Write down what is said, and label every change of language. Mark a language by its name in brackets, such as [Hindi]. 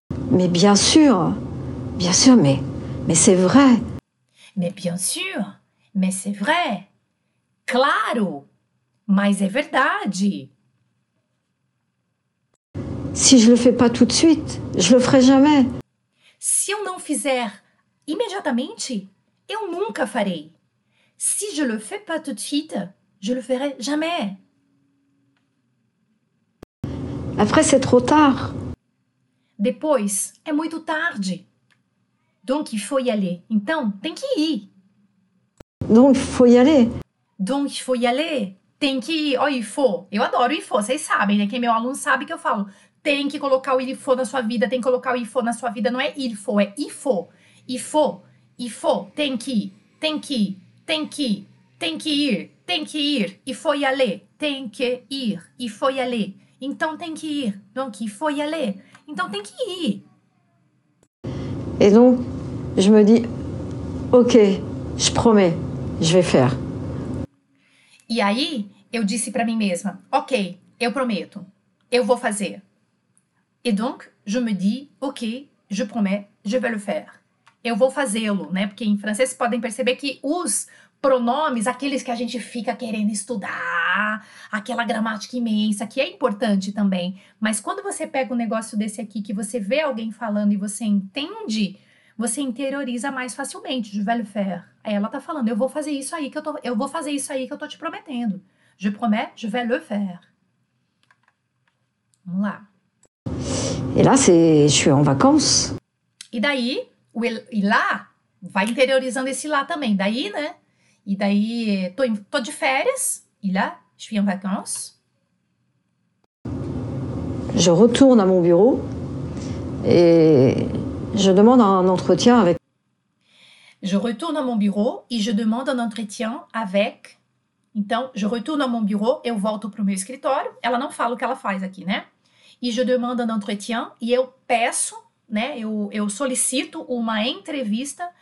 [French] Mais bien sûr, mais c'est vrai. Mais bien sûr, mais c'est vrai. [Portuguese] Claro. Mas é verdade. [French] Si je le fais pas tout de suite, je le ferai jamais. [Portuguese] Se eu não fizer imediatamente, eu nunca farei. [French] Si je le fais pas tout de suite, je le ferai jamais. Après, c'est trop tard. [Portuguese] Depois, é muito tarde. [French] Donc, il faut y aller. [Portuguese] Então, tem que ir. [French] Donc, il faut y aller. Donc, il faut y aller. [Portuguese] Tem que ir. [French] Oh, il faut. [Portuguese] Eu adoro il faut. Vocês sabem, né? Quem é meu aluno sabe que eu falo. Tem que colocar o il faut na sua vida. Tem que colocar o il faut na sua vida. Não é il faut, é il faut. Il faut. Il faut. Tem que ir. Tem que ir. Tem que ir. Tem que ir. Tem que ir. [French] Il faut y aller. [Portuguese] Tem que ir. [French] Il faut y aller. [Portuguese] Então, tem que ir. [French] Donc, il faut y aller. [Portuguese] Então, tem que ir. [French] Et donc, je me dis, ok, je promets, je vais faire. [Portuguese] E aí, eu disse pra mim mesma, ok, eu prometo, eu vou fazer. [French] Et donc, je me dis, ok, je promets, je vais le faire. [Portuguese] Eu vou fazê-lo, né? Porque em francês, podem perceber que os pronomes, aqueles que a gente fica querendo estudar, aquela gramática imensa, que é importante também. Mas quando você pega um negócio desse aqui, que você vê alguém falando e você entende, você interioriza mais facilmente. [French] Je vais le faire. [Portuguese] Aí ela tá falando, eu vou fazer isso aí que eu tô, eu vou fazer isso aí que eu tô te prometendo. [French] Je promets, je vais le faire. [Portuguese] Vamos lá. [French] Et là, c'est, je suis en vacances. [Portuguese] E daí, o e lá, vai interiorizando esse lá também. Daí, né? E daí, tô de férias. [French] E lá, je suis en vacances. Je retourne à mon bureau et je demande un entretien avec. Je retourne à mon bureau e je demande un entretien avec. [Portuguese] Então, [French] je retourne à mon bureau, [Portuguese] eu volto pro meu escritório. Ela não fala o que ela faz aqui, né? E [French] je demande un entretien [Portuguese] e eu peço, né? Eu solicito uma entrevista.